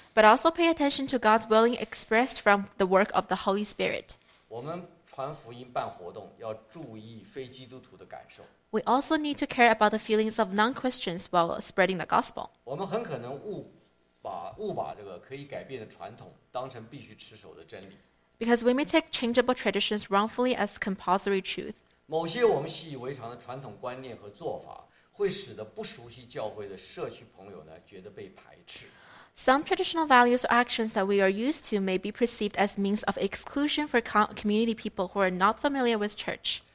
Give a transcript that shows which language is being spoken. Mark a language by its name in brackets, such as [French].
[English] But also pay attention to God's willing expressed from the work of the Holy Spirit. [Chinese] 我们传福音办活动要注意非基督徒的感受。 [English] We also need to care about the feelings of non-Christians while spreading the gospel. [Chinese] 我们很可能误把这个可以改变的传统当成必须持守的真理。 [English] Because we may take changeable traditions wrongfully as compulsory truth. [Chinese] 某些我们习以为常的传统观念和做法会使得不熟悉教会的社区朋友呢觉得被排斥。 [English] Some traditional values or actions that we are used to may be perceived as means of exclusion for community people who are not familiar with church.